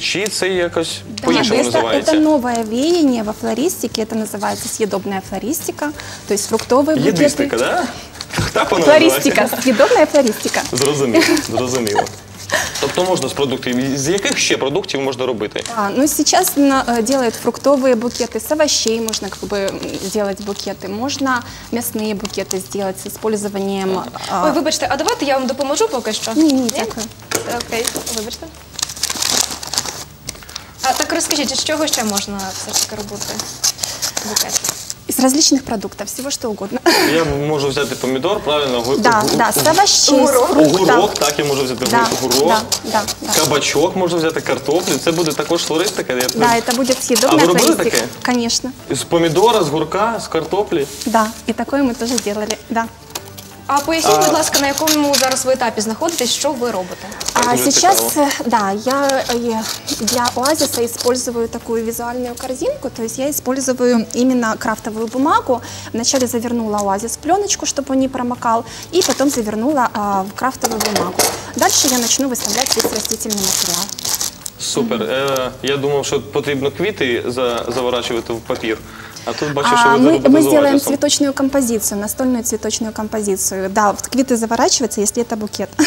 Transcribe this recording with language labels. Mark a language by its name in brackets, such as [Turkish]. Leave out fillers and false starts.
[Ukrainian] Чи це якось да, по-іншому називається? Це нове віяння во флористиці, це називається с'їдобна флористика, тобто фруктові букети. Їдистика, да? Так? Воно флористика, с'їдобна флористика. Зрозуміло. Тобто можна з продуктів, з яких ще продуктів можна робити? [Russian] А, ну, сейчас делают фруктовые букеты, с овощей можно как бы делать букеты, можно мясные букеты сделать с использованием... [Ukrainian] Ой, вибачте, а давайте я вам допоможу поки що? Ні, ні, дякую. Окей, вибачте. А так розкажіть, з чого ще можна все ж таки робити букет? [Russian] Из различных продуктов, всего что угодно. Я можу взять и помидор, правильно? Да, да, с овощей, с фруктом. [Ukrainian] Огурок, так, я можу взять огурок. [Russian] Да, да, да. Кабачок можно взять, картофель. Это будет також флористика? Да, это будет съедобная флористика. [Ukrainian] А вы робили таке? [Russian] Конечно. Из помидора, с огурка, с картофли? Да, и такое мы тоже делали, да. [Ukrainian] А поясніть, будь ласка, на якому зараз ви етапі знаходитесь, що ви робите? [Russian] Сейчас, да, я для Оазиса использую такую визуальную корзинку, то есть я использую именно крафтовую бумагу. Вначале завернула Оазис в пленочку, чтобы он не промокал, и потом завернула в крафтовую бумагу. Дальше я начну выставлять весь растительный материал. Супер. Mm-hmm. [Ukrainian] Я думав, що потрібно квіти заворачувати в папір. А тут бачу, що ви ми зробимо цвіточну композицію, настольну цвіточну композицію. Да, квіти заворачуються, якщо це букет.